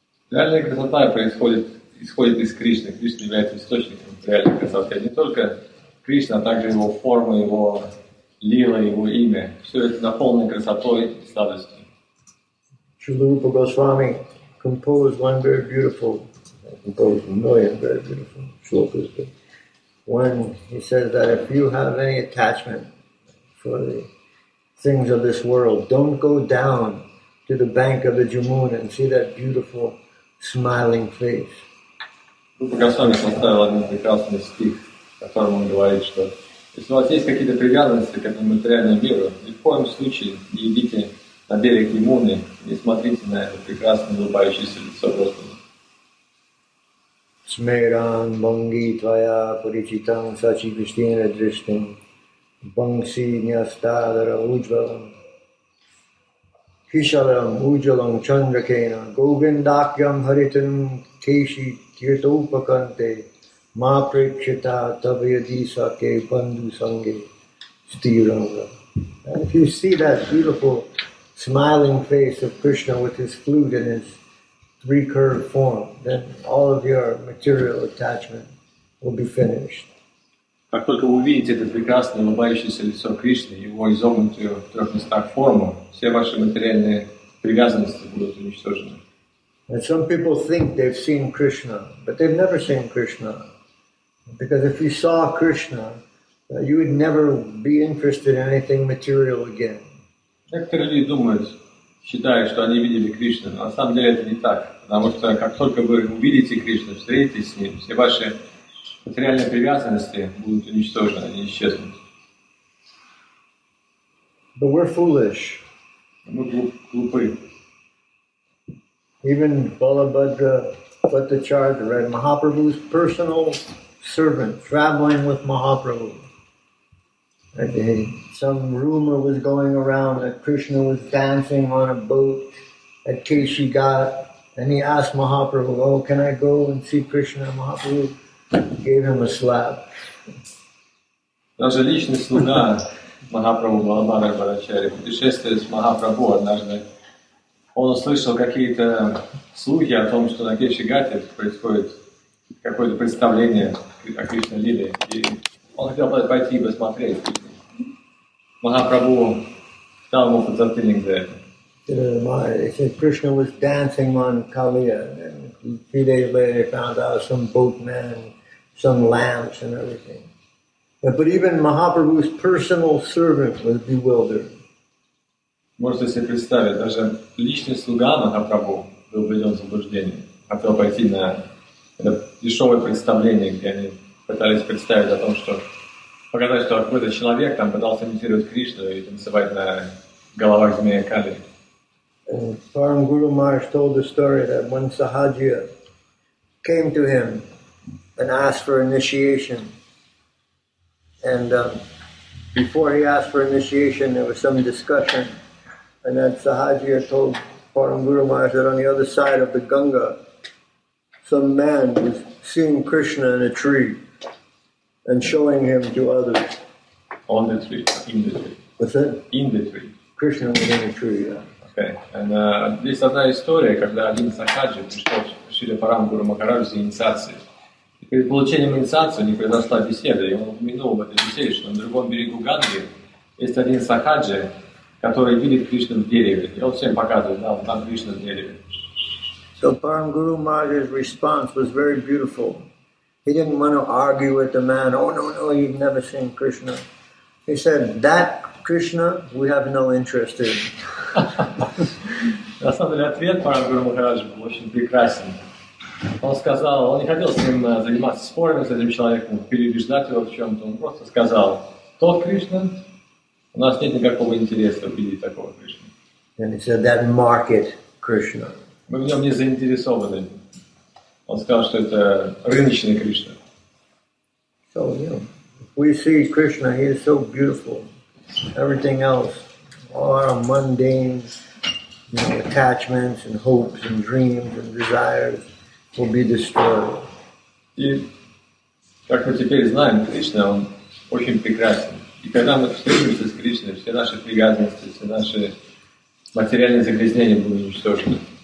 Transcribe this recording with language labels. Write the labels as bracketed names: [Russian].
[Russian] Реальная красота исходит из Кришны. Кришна является источником реальной красоты. Не только Кришна, а также его форма, его лила, его имя. Все это наполнено красотой и сладостью. [English] Шрила Рупа Госвами composed one very beautiful, composed a million very beautiful shlokas, but one, he says that if you have any attachment for the things of this world, don't go down to the bank of the Jamuna and see that beautiful smiling face. [Russian] Рупа Госвами составил один прекрасный стих, в котором он говорит, что если у вас есть какие-то привязанности к этому материальному миру, ни в коем случае не идите на берег Ямуны и смотрите на это прекрасное улыбающееся лицо Господа. [Sanskrit] Смейран банги твоя паричитан сачи кристина дриштин банси ньястадара уджвалам кишалам уджалам чандракена говиндакьям харитам кеши тиртоупаканте ма прикшита табьядиса ке банду санге стиранга. [English] If you see that beautiful smiling face of Krishna with his flute and his three curved form, then all of your material attachment will be finished. [Russian] Как только вы увидите это прекрасное улыбающееся лицо Кришны, его изогнутую в трех местах форму, все ваши материальные привязанности будут уничтожены. [English] And some people think they've seen Krishna, but they've never seen Krishna. Because if you saw Krishna, you would never be interested in anything material again. [Russian] Некоторые люди думают, считая, что они видели Кришну, но на самом деле это не так. Потому что как только вы увидите Кришну, встретитесь с ним, все ваши материальные привязанности будут уничтожены, они исчезнут. [English] But we're foolish. [Russian] Мы глупы. [English] Even Balabhadra Bhattacharya read Mahaprabhu's personal servant traveling with Mahaprabhu. Some rumor was going around that Krishna was dancing on a boat at Keshi Ghat, and he asked Mahaprabhu, oh, can I go and see Krishna? Mahaprabhu gave him a slap. [Russian] Даже личный слуга Махапрабху Балабхадра Бхаттачарья путешествует с Махапрабху однажды. Он услышал какие-то слухи о том, что на Кеши Гате происходит какое-то представление о Кришна Лиле. Он хотел пойти и посмотреть. Махапрабху дал ему подзатыльник за это. [English] He said Krishna was dancing on Kaliya, and a few days later he found out some boatman, some lamps and everything. But even Mahaprabhu's personal servant was bewildered. [Russian] Можете себе представить, даже личный слуга Махапрабху был введен в заблуждение. Хотел пойти на это дешевое представление, где они пытались представить о том, что показать, что какой-то человек там пытался имитировать Кришну и танцевать на головах змея Кали. [English] Param Guru Maharaj told the story that when Sahajiya came to him and asked for initiation, and before he asked for initiation, there was some discussion, and then Sahajiya told Param Guru Maharaj that on the other side of the Ganga, some man was seeing Krishna in a tree and showing him to others. On the tree, in the tree. What's that? In the tree. Krishna was in the tree, yeah. Okay. And this is another story, [Russian] когда один сахаджи пришел к Шри Парам Гуру Махараджу за инициацией. И перед получением инициации не произошла беседа, и он упомянул в этой беседе, что на другом берегу Ганги есть один сахаджи, который видит Кришну в дереве. И он всем показывает, да, там Кришна в дереве. [English] So Param Guru Maharaj's response was very beautiful. He didn't want to argue with the man, oh no, no, you've never seen Krishna. He said, that Krishna, we have no interest in. [Russian] На самом деле, ответ Парам Гуру Махарадж был очень прекрасен. Он сказал, он не хотел с ним заниматься спорами с этим человеком, переубеждать его в чем-то. Он просто сказал, тот Кришна, у нас нет никакого интереса увидеть такого Кришна. [English] And he said, that market Krishna. [Russian] Мы в нем не заинтересованы. Он сказал, что это рыночный Кришна. [English] So, yeah. We see Krishna, he is so beautiful. Everything else. All our mundane, you know, attachments and hopes and dreams and desires will be destroyed. [Russian] И, как мы теперь знаем, Кришна, он очень прекрасен. И когда мы встретимся с Кришной, все наши привязанности, все наши материальные загрязнения будут уничтожены.